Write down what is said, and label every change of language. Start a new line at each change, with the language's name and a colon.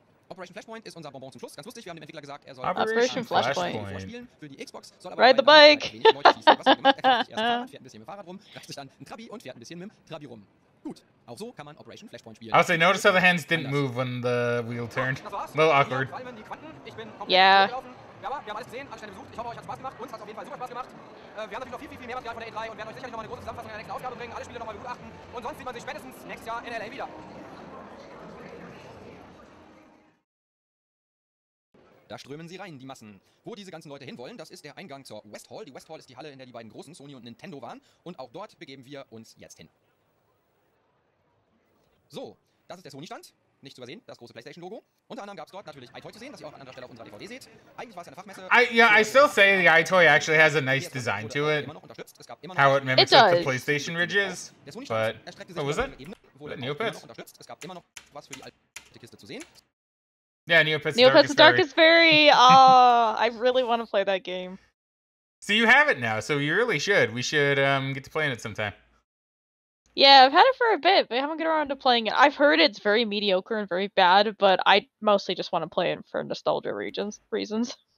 German: Operation Flashpoint ist unser Bonbon zum Schluss. Ganz lustig, wir haben dem Entwickler gesagt, er soll Operation Flashpoint vorspielen für die Xbox, soll aber
English: ride the bike.
German: Fährt ein bisschen mit dem Fahrrad rum, greift sich dann ein Trabi und fährt ein bisschen mit dem Trabi rum. Gut, auch so kann man Operation Flashpoint spielen.
English: Also, I noticed how the hands didn't move when the wheel turned. A little awkward. Yeah.
German: Ja, wir haben alles gesehen, alle Stände besucht. Ich hoffe, euch hat Spaß gemacht. Uns hat auf jeden Fall super Spaß gemacht. Wir haben natürlich noch viel, viel, viel mehr Material von der E3 und werden euch sicherlich noch eine große Zusammenfassung in der nächsten Ausgabe bringen. Alle Spiele noch mal begutachten. Und sonst sieht man sich spätestens nächstes Jahr in LA wieder. Da strömen sie rein, die Massen. Wo diese ganzen Leute hinwollen, das ist der Eingang zur West Hall. Die West Hall ist die Halle, in der die beiden großen Sony und Nintendo waren. Und auch dort begeben wir uns jetzt hin. So, das ist der Sony-Stand. Nicht zu übersehen, das große PlayStation-Logo. Unter anderem gab es dort natürlich iToy zu sehen, das ihr auch an anderer Stelle auf unserer DVD seht. Eigentlich war es eine Fachmesse.
English: I still say the iToy actually has a nice design to it. How it mimics the PlayStation ridges. But, what was it? Neopets?
German: Es gab immer noch was für die alte Kiste zu sehen.
English: Yeah, Neopets the Darkest Fairy. Oh, I really want to play that game. So you have it now, so you really should. We should get to playing it sometime. Yeah, I've had it for a bit, but I haven't gotten around to playing it. I've heard it's very mediocre and very bad, but I mostly just want to play it for nostalgia reasons.